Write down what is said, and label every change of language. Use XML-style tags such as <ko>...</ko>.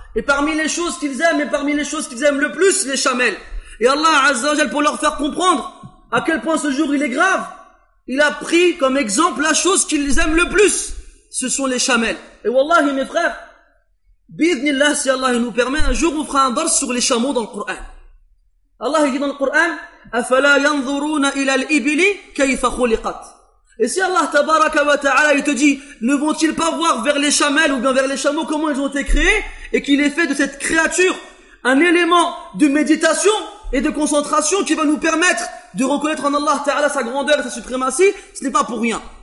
<fr>Et parmi les choses qu'ils aiment et parmi les choses qu'ils aiment le plus, les chamelles. Et Allah Azza wa Jalla, pour leur faire comprendre à quel point ce jour il est grave, il a pris comme exemple la chose qu'ils aiment le plus, ce sont les chamelles. Et wallahi mes frères, bi'idhnillah, si Allah nous permet, un jour on fera un dars sur les chameaux dans le Coran. Allah dit dans le Coran,</fr> <ar>أَفَلَا يَنْظُرُونَ إِلَى الْإِبِلِ كَيْفَ خُلِقَتْ.</ar> <fr>Et si Allah tabaraka wa ta'ala il te dit, ne vont-ils pas voir vers les chamelles ou bien vers les chameaux comment ils ont été créés, et qu'il est fait de cette créature un élément de méditation et de concentration qui va nous permettre de reconnaître en Allah ta'ala sa grandeur et sa suprématie, ce n'est pas pour rien.</fr>